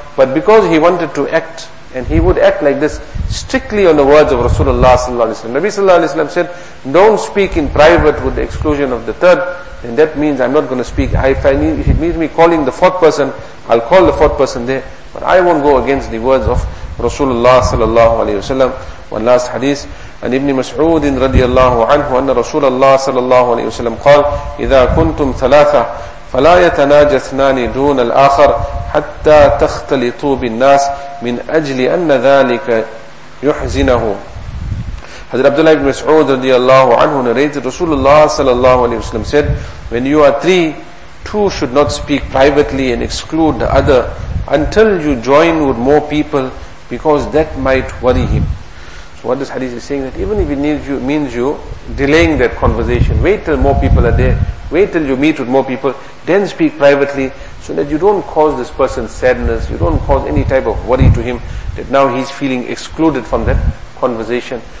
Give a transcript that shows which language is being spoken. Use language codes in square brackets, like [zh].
[en] But because he wanted to act, and he would act like this, strictly on the words of Rasulullah sallallahu alayhi wa sallam. Nabi sallallahu alayhi wa sallam said, don't speak in private with the exclusion of the third, and that means I'm not going to speak. If it means me calling the fourth person, I'll call the fourth person there, but I won't go against the words of Rasulullah sallallahu alayhi wa sallam. One last hadith. [ar] عن ابن مسعود رضي الله عنه أن رسول الله صلى الله عليه وسلم قال إذا كنتم ثلاثة فلا يتناجى اثنان دون الآخر حتى تختلطوا بالناس من أجل أن ذلك يحزنه. [en] حضرت عبد الله بن مسعود رضي الله عنه narrated رسول الله صلى الله عليه وسلم said when you are three, two should not speak privately and exclude the other until you join with more people, because that might worry him. What this hadith is saying, that even if it means you delaying that conversation, wait till more people are there, wait till you meet with more people, then speak privately, so that you don't cause this person sadness, you don't cause any type of worry to him, that now he's feeling excluded from that conversation.